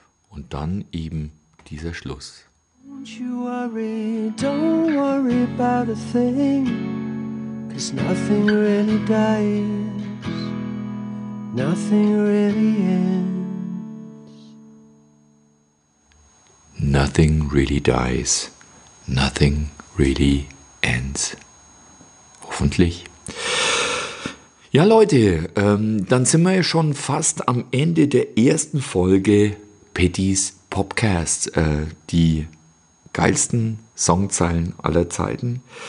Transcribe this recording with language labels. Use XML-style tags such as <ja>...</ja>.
<de>Und dann eben dieser Schluss.</de> <en>Don't you worry, don't worry about a thing. Cause nothing really dies, nothing really ends. Nothing really dies, nothing really ends.</en> <de>Hoffentlich. Ja, Leute, dann sind wir ja schon fast am Ende der ersten Folge Pettys Popcast. Die geilsten Songzeilen aller Zeiten.</de>